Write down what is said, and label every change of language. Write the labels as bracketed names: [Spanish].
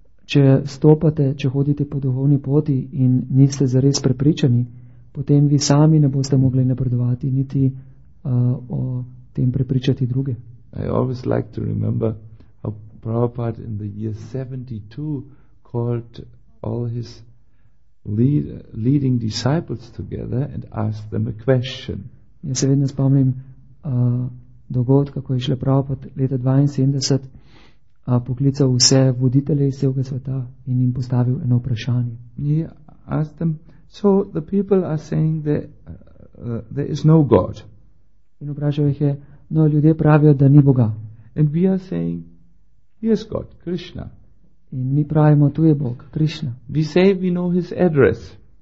[Slovenian] Če stopate, če hodite po duhovni poti in niste zares prepričani, potem vi sami ne boste mogli napredovati, niti o tem prepričati druge. [English] I always like to remember how Prabhupada in the year 72 called all his leading disciples together and asked them a question. [Slovenian] Jaz se vedno spomnim dogodka, ko je šel Prabhupada leta 72 poklical vse voditelje iz celega sveta in jim postavil eno vprašanje. [English] He asked them, so the people are saying that there is no God. [Slovenian] In vprašal jih je, no, ljudje pravijo, da ni Boga. [English] And we are saying, yes, God, Krishna. [Slovenian] In mi pravimo, tu je Bog, Krishna. [English] We say we know his address.